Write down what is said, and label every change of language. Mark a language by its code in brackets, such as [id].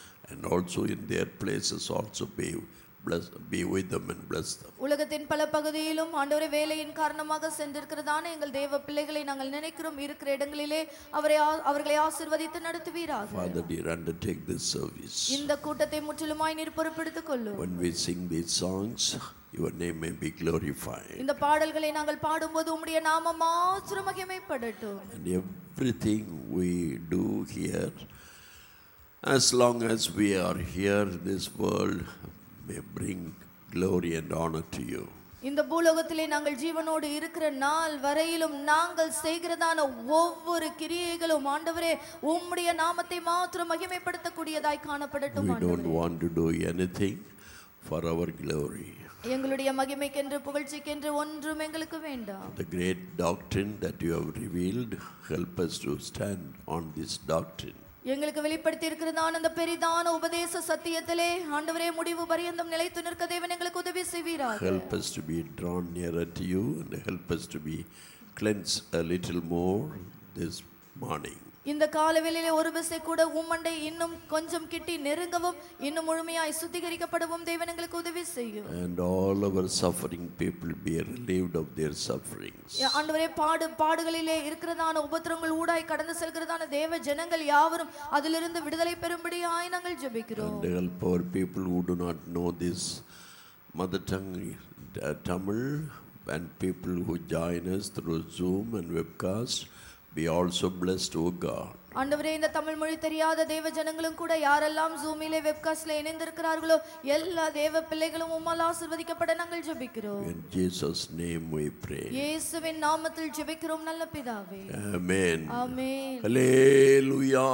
[en] and also in their places also be bless, be with them and bless them. [ta] உலகத்தின் பல பகுதியிலும் ஆண்டவரே வேலையின் காரணமாக சென்றிருக்கிறதான எங்கள் தேவ பிள்ளைகளை நாங்கள் நினைக்கிறோம். இருக்கிற இடங்களிலே அவர்களை ஆசீர்வதித்து நடத்துவீராக. [en] Father, dear, undertake this service. [ta] இந்த கூட்டத்தை முற்றிலுமாய் நீர் பொறுப்பெடுத்துக் கொள்ளும். [en] When we sing these songs, your name may be glorified. [ta] இந்த பாடல்களை நாங்கள் பாடும்போது உம்முடைய நாமம் மாத்திரம் மகிமைப்படட்டும். [en] And everything we do here, as long as we are here in this world, may bring glory and honor to you. [ta] இந்த பூலோகத்திலே நாங்கள் ஜீவனோடு இருக்கிற நாள் வரையிலும் நாங்கள் செய்கிறதான ஒவ்வொரு கிரியைகளும் ஆண்டவரே உம்முடைய நாமத்தை மாத்திரம் மகிமைப்படுத்த கூடியதாய் காணப்படட்டும். [en] We don't want to do anything for our glory. [ta] எங்களுடைய மகிமைக்கென்று புகழ்ச்சிக்கென்று ஒன்றும் எங்களுக்கு வேண்டாம். [en] The great doctrine that you have revealed, help us to stand on this doctrine. [ta] எங்களுக்கு வெளிப்படுத்தி இருக்கிறதான அந்த பெரிதான உபதேச சத்தியத்திலே ஆண்டவரே முடிவு பரியந்தம் நிலைத்து நிற்க தேவன் எங்களுக்கு உதவி செய்வீராக. [en] Help us to be drawn nearer to you and help us to be cleansed a little more this morning. [ta] இந்த காலவெளியிலே ஒரு விசை கூட உம்மண்டை இன்னும் கொஞ்சம் கிட்டி நெருங்கவும் இன்னும் முழுமையாய் சுத்திகரிக்கப்படவும் தேவன் எங்களுக்கு உதவி செய்யும். [en] And all our suffering people be relieved of their sufferings. [ta] ஆண்டவரே பாடுகளிலே இருக்கிறதான உபத்திரங்கள் ஊடாய் கடந்து செல்கிறதான தேவ ஜனங்கள் யாவரும் அதிலிருந்து விடுதலை பெறும்படியாய் நாங்கள் ஜெபிக்கிறோம். [en] And help our people who do not know this mother tongue Tamil and people who join us through Zoom and webcast, be also blessed, O God. [ta] ஆண்டவரே இந்த தமிழ் மொழி தெரியாத தேவ ஜனங்களும் கூட யாரெல்லாம் ஜூமிலே வெப்காஸ்ட்லே இணைந்திருக்கிறார்களோ எல்லா தேவ பிள்ளைகளும் உம்மால் ஆசீர்வதிக்கப்பட நாங்கள் ஜெபிக்கிறோம். [en] In Jesus name we pray. [ta] இயேசுவின் நாமத்தில் ஜெபிக்கிறோம் நல்ல பிதாவே. [en] Amen. Amen. Hallelujah.